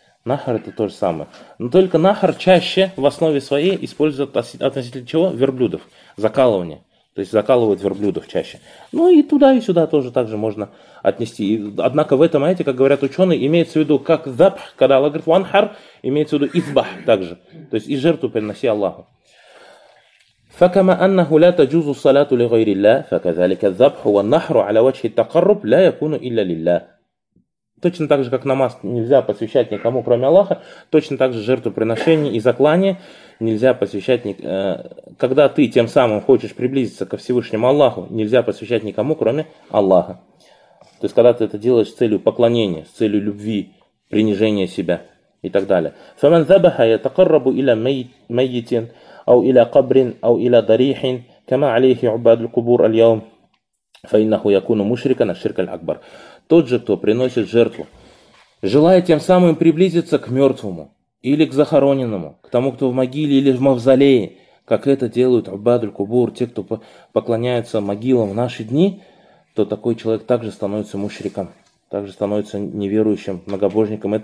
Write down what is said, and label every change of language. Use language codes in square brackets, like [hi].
[ru] Нахар – это то же самое. Но только нахар чаще в основе своей используют относительно чего? Верблюдов. Закалывание. То есть закалывают верблюдов чаще. Ну и туда, и сюда тоже так же можно отнести. И, однако в этом аяте, как говорят ученые, имеется в виду как забх, когда Аллах говорит ванхар, имеется в виду избах также. То есть и жертву приноси Аллаху. [ar] فكما انه لا تجوز الصلاه لغير الله فكذلك الذبح والنحر على وجه التقرب لا يكون الا لله. [ru] Точно так же, как намаз нельзя посвящать никому, кроме Аллаха, точно так же жертвоприношение и заклание нельзя посвящать никому, когда ты тем самым хочешь приблизиться ко Всевышнему Аллаху, нельзя посвящать никому, кроме Аллаха. То есть когда ты это делаешь с целью поклонения, с целью любви, принижения себя и так далее. [ar] فمن ذبح يتقرب الى ميت أو إلى قبر أو إلى ضريح كما عليه عباد القبور اليوم فإنه يكون مشركا الشرك الأكبر. [ru] Тот же, кто приносит жертву, желая тем самым приблизиться к мертвому или к захороненному, к тому, кто в могиле или в мавзолее, как это делают [ar] عباد القبور, [ru] те, кто поклоняются могилам в наши дни, то такой человек также становится мушриком, также становится неверующим, многобожником.